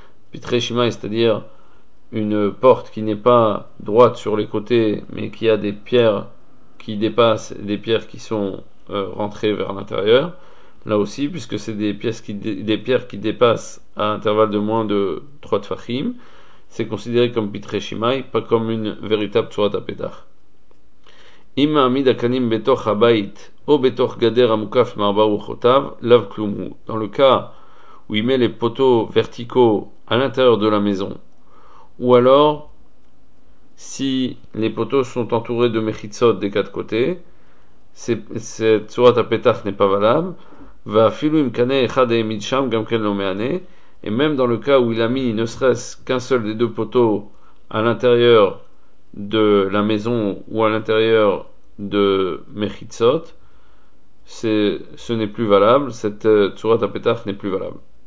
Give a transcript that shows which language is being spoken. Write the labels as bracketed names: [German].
[French] Pitrei Shimai, c'est-à-dire une porte qui n'est pas droite sur les côtés, mais qui a des pierres qui dépassent, des pierres qui sont rentrées vers l'intérieur. Là aussi, puisque c'est des pierres qui dépassent à intervalles de moins de 3 tfachim, c'est considéré comme pitrei shimai, pas comme une véritable tsurat apetach. [Hebrew] אם מעמיד הקנים בתוך הבית או בתוך גדר המוקף מארבעה רוחותיו, לאו כלום הוא. [French] Dans le cas où il met les poteaux verticaux à l'intérieur de la maison, ou alors si les poteaux sont entourés de mechitzot des quatre côtés, cette surat apetach n'est pas valable. [Hebrew] Va filu im kane echad emid sham gam ken lo me'ane. [French] Et même dans le cas où il a mis ne serait-ce qu'un seul des deux poteaux à l'intérieur de la maison ou à l'intérieur de Mechitzot, ce n'est plus valable, cette Tzurat HaPetach n'est plus valable.